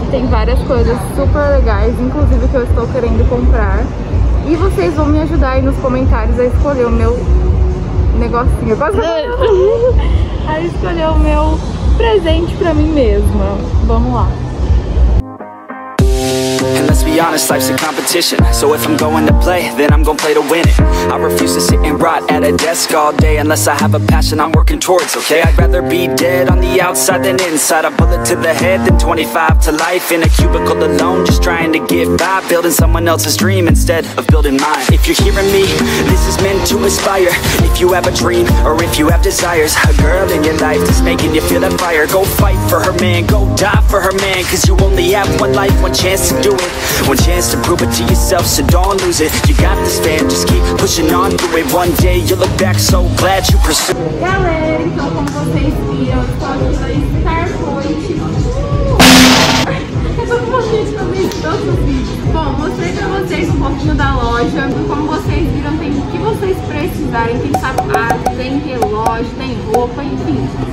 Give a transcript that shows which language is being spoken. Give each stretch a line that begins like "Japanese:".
Portuguese: Tem várias coisas super legais, inclusive que eu estou querendo comprar. E vocês vão me ajudar aí nos comentários a escolher o meu negocinho. Quase a escolher o meu presente pra mim mesma. Vamos lá.
English: Let's be honest, life's a competition. So if I'm going to play, then I'm gonna play to win it. I refuse to sit and rot at a desk all day unless I have a passion I'm working towards, okay? I'd rather be dead on the outside than inside. A bullet to the head than 25 to life in a cubicle alone, just trying to get by. Building someone else's dream instead of building mine. If you're hearing me, this is meant to inspire. If you have a dream or if you have desires, a girl in your life that's making you feel that fire. Go fight for her man, go die for her man. Cause you only have one life, one chance to do it. One chance to prove it to yourself, so don't lose it. You got this fam, just keep pushing on through it. One day you'll look back so glad you pursued.
Portuguese: Galera, então como vocês viram, estou aqui na Star Point. Eu tô com vocês também, todos os vídeos. Bom, mostrei pra vocês um pouquinho da loja. Como vocês viram, tem o que vocês precisarem. Tem sapato, tem relógio, tem roupa, enfim.